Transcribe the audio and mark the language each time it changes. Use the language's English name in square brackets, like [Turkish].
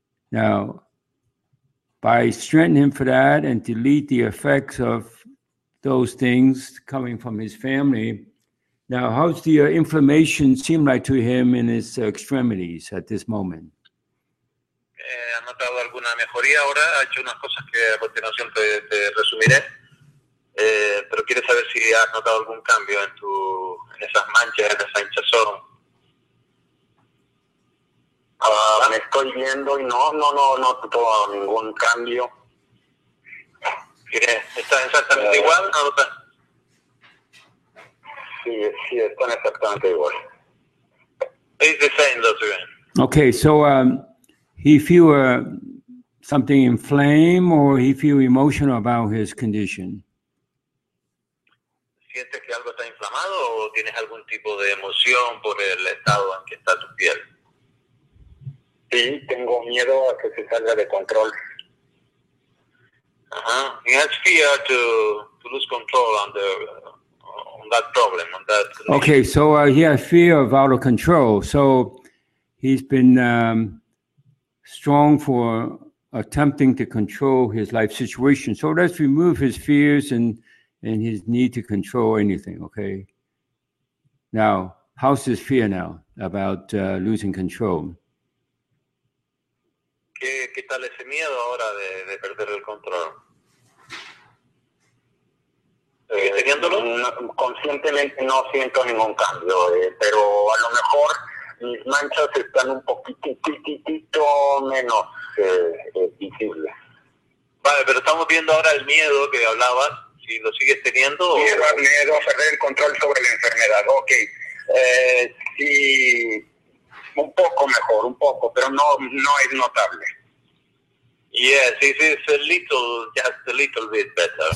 [English] Now, by strengthening him for that and delete the effects of those things coming from his family, now how's the inflammation seem like to him in his extremities at this moment? [Spanish] ¿Ha notado alguna mejoría ahora? Ha hecho unas cosas que a continuación te resumiré. Pero quiere saber si has notado algún cambio en esas manchas, en esa hinchazón. Me estoy viendo y no noto ningún cambio. ¿Está exactamente igual? ¿No notas? Sí, están exactamente igual. [English] It's the same, doctor. Okay, so... he feel something inflamed, or he feel emotional about his condition? ¿Sientes que algo está inflamado o tienes algún tipo de emoción por el estado en que está tu piel? Sí, tengo miedo a que se salga de control. Uh-huh. He has fear to lose control on that problem, on that condition. Okay, so he has fear of out of control. So he's been... strong for attempting to control his life situation. So let's remove his fears and his need to control anything, okay? Now, how's his fear now about losing control? [Spanish] ¿Qué tal ese miedo ahora de perder el control? ¿Teniéndolo? Conscientemente no siento ningún cambio, pero a lo mejor... mis manchas están un poquitito menos visibles. Vale, pero estamos viendo ahora el miedo que hablabas, si lo sigues teniendo. Miedo a perder el control sobre la enfermedad, ok. Sí, un poco mejor, un poco, pero no es notable. [English] Yes, it's a little, just a little bit better.